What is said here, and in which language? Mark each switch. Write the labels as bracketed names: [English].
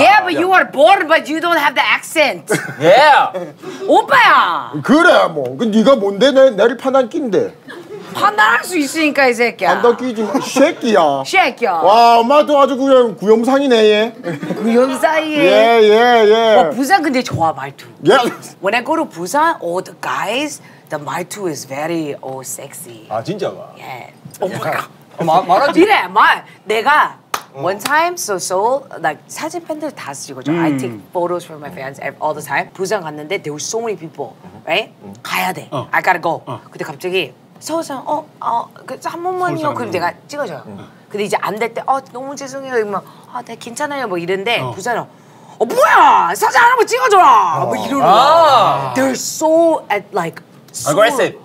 [English] Yeah, but you were born, but you don't have the accent. yeah. [Korean] 오빠야. 그래 뭐, 그 네가 뭔데 내를 판단 낀데. 판단할 수 있으니까 이 새끼야. 안 닦이지. 새끼야. 새끼야. 와, 엄마도 아주 그냥 구형상이네 얘. 구형상이에. 예예 예. 와, 부산 근데 좋아 말투. 예. Yeah. [English] When I go to Busan, all the guys, the 말투 is very all sexy. [Korean] 아 진짜 봐. 예. 엄마. 말하지. 이래 말. 내가. [English] One time, so Seoul, like, [Korean] 사진 팬들 다 찍었죠. [English] I take photos for my fans all the time. [Korean] 부산 갔는데 [English] there were so many people, right? [Korean] 가야 돼. [English] I gotta go. [Korean] 근데 갑자기 서울 사람, 한 번만요. 그럼 내가 찍어줘요. 근데 이제 안 될 때, 너무 죄송해요. 이러면, 네, 괜찮아요. 뭐 이런데 부산은, 뭐야! 사진 안 한번 찍어줘라! 뭐 이러는 거야. [English] They're so, at, like, So aggressive.